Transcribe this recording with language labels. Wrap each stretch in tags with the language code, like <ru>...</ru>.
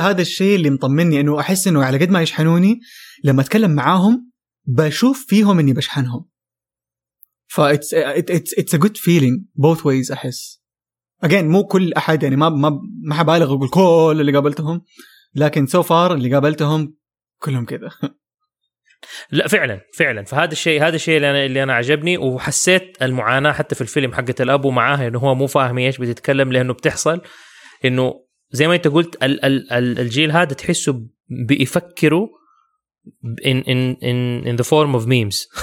<ar>هذا الشيء اللي مطمني، انه احس انه على قد ما يشحنوني لما اتكلم معاهم بشوف فيهم اني بشحنهم.</ar> <en>ف it's a good feeling both ways.</en> <ar>احس again مو كل احد يعني ما حبالغ اقول كل اللي قابلتهم، لكن</ar> <en>so far</en> <ar>اللي قابلتهم كلهم كذا. لا فعلا فهذا الشيء اللي انا عجبني، وحسيت المعاناه حتى في الفيلم حقه الاب ومعاها انه هو مو فاهم ايش بتتكلم، لانه بتحصل انه زي ما انت قلت الجيل هذا تحسه بيفكروا</ar> <en>in in in in the form of memes.</en>